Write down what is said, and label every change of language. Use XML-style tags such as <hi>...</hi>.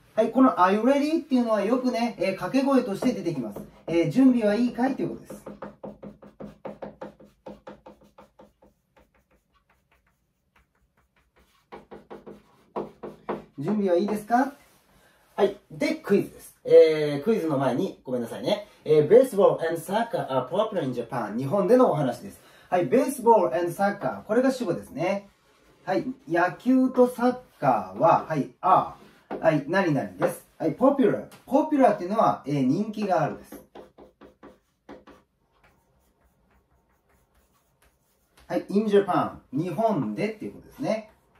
<ja>はい、この</ja> <en>Are you ready?</en> <ja>っていうのはよくね、掛け声として出てきます。準備はいいかいということです。準備はいいですか? はい、で、クイズです。クイズの前に、ごめんなさいね。</ja> <en>Baseball and soccer are popular in Japan.</en> <ja>日本でのお話です。</ja> <en>はい、Baseball and soccer。</en> <ja>これが主語ですね。はい、野球とサッカーは、はい、are。はい、何々です。はい、popular。 popular っていうのは、人気があるです。</ja> <en>はい、in Japan。</en> <ja>日本でっていうことですね。</ja>